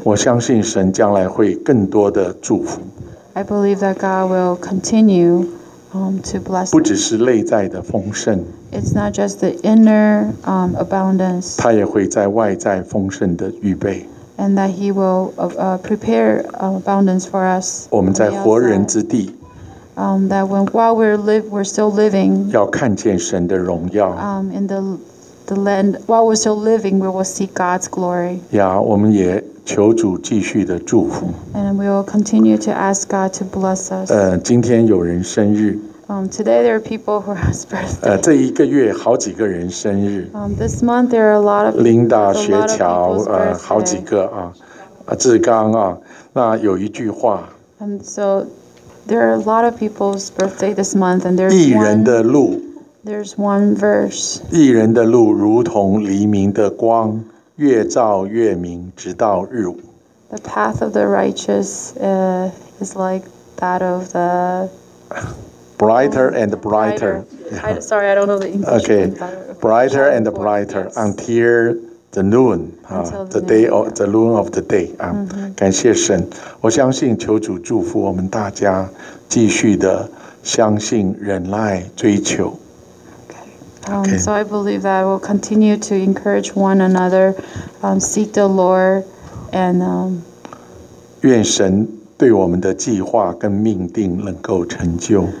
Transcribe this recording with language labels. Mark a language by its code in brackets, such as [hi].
[zh] 我相信神将来会更多的祝福。 [en] I believe that God will continue to bless them. [zh] 不只是内在的丰盛。 [en] It's not just the inner abundance. [zh] 他也会在外在丰盛的预备。 [en] And that he will prepare abundance for us. [zh] 我们在活人之地。 [en] That when, while we're still living. [zh] 要看见神的荣耀。 [en] In the land, while we're still living, we will see God's glory. [zh] Yeah, 我们也求主继续的祝福。 [en] And we will continue to ask God to bless us. [zh] 今天有人生日。 [en] Today there are people who have birthday. [zh] 这一个月好几个人生日。 [en] This month there are a lot of [zh] Linda, 雪桥，好几个啊，志刚啊，那有一句话。 [en] So there are a lot of people's birthday this month, and there's [zh] 一人的路。 [en] There's one verse. [zh] 一人的路如同黎明的光，越照越明，直到日午。 [en] The path of the righteous is like that of the brighter and brighter. Sorry, I don't know the English. Okay, brighter and brighter until the noon, the day or the noon of the day. [zh] 感谢神，我相信求主祝福我们大家，继续的相信、忍耐、追求。 [en] So I believe that we'll continue to encourage one another, seek the Lord, and [zh] 愿神对我们的计划跟命定能够成就。